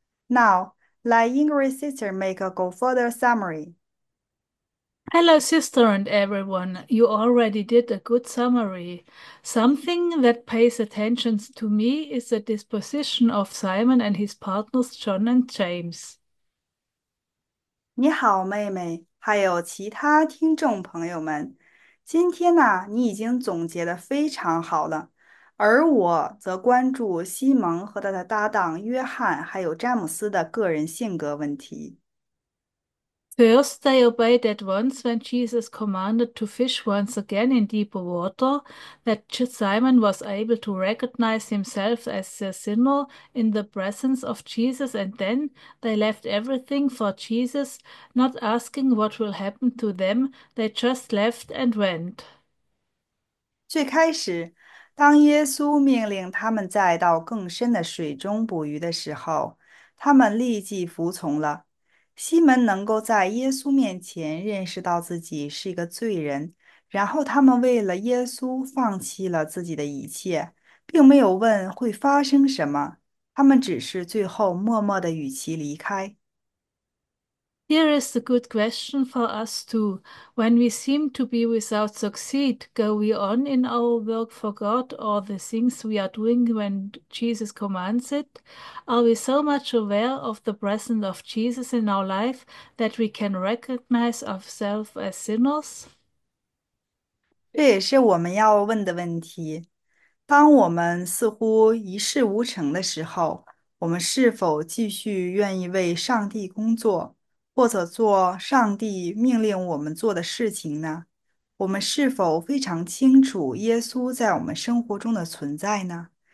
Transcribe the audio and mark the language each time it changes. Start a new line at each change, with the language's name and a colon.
English: Now, let Ingrid's sister make a go further summary. Hello, sister and everyone. You already did a good summary. Something that pays attention to me is the disposition of Simon and his partners, John and James.
Chinese: 你好，妹妹，还有其他听众朋友们。今天呢，你已经总结得非常好了，而我则关注西蒙和他的搭档约翰，还有詹姆斯的个人性格问题。
English: First, they obeyed at once when Jesus commanded to fish once again in deeper water, that Simon was able to recognize himself as a sinner in the presence of Jesus, and then they left everything for Jesus, not asking what will happen to them, they just left and went.
Chinese: 最开始，当耶稣命令他们再到更深的水中捕鱼的时候，他们立即服从了。西门能够在耶稣面前认识到自己是一个罪人，然后他们为了耶稣放弃了自己的一切，并没有问会发生什么，他们只是最后默默地与其离开。
English: Here is a good question for us too. When we seem to be without succeed, go we on in our work for God or the things we are doing when Jesus commands it? Are we so much aware of the presence of Jesus in our life that we can recognize ourselves as sinners?
Chinese: 这也是我们要问的问题。当我们似乎一事无成的时候，我们是否继续愿意为上帝工作，或者做上帝命令我们做的事情呢？我们是否非常清楚耶稣在我们生活中的存在呢？